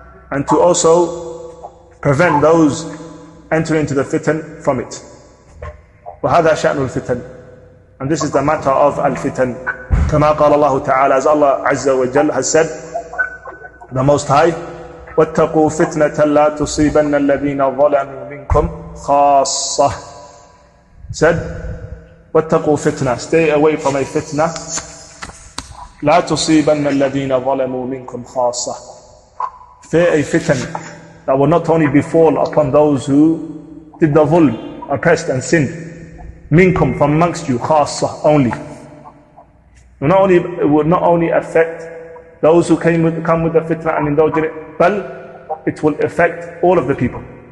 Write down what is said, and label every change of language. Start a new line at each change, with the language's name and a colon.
English: And to also prevent those entering into the fitan from it.
Arabic: وَهَذَا شَأْنُ الْفِتَنِ.
English: And this is the matter of al-fitan.
Arabic: كَمَا قَالَ اللَّهُ تَعَالَى.
English: As Allah Azza wa Jal has said, the Most High,
Arabic: واتقوا فتنة لا تصيبن الذين ظلموا منكم خاصة.
English: Said,
Arabic: واتقوا فتنة,
English: stay away from a fitna.
Arabic: لا تصيبن الذين ظلموا منكم خاصة.
English: Fear a fitna that will not only befall upon those who did the ظلم, oppressed and sinned. Minkum, from amongst you, khasa, only. It will not only affect those who come with the fitna and indulge in it, but it will affect all of the people.